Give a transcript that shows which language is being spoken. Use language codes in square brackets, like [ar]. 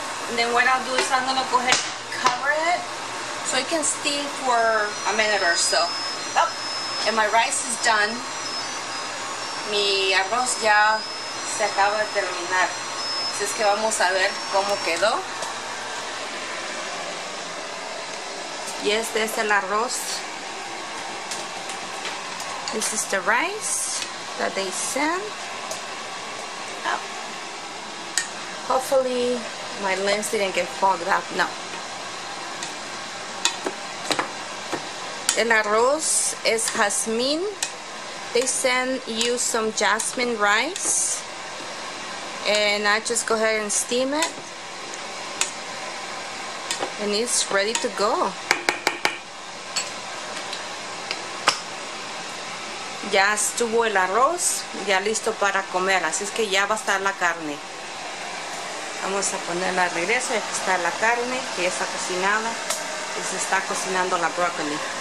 [en] And then what I'll do is I'm going to go ahead and cover it so it can steam for a minute or so. Oh, and my rice is done. [es] Mi arroz ya se acaba de terminar, así es que vamos a ver cómo quedó. Y este es el arroz. [en] This is the rice that they sent. Oh. Hopefully my lens didn't get fogged up. No. [es] El arroz es jazmín. [en] They send you some jasmine rice, and I just go ahead and steam it, and it's ready to go. [es] Ya estuvo el arroz, ya listo para comer, así es que ya va a estar la carne. Vamos a ponerla de regreso, aquí está la carne, que ya está cocinada, y se está cocinando la broccoli.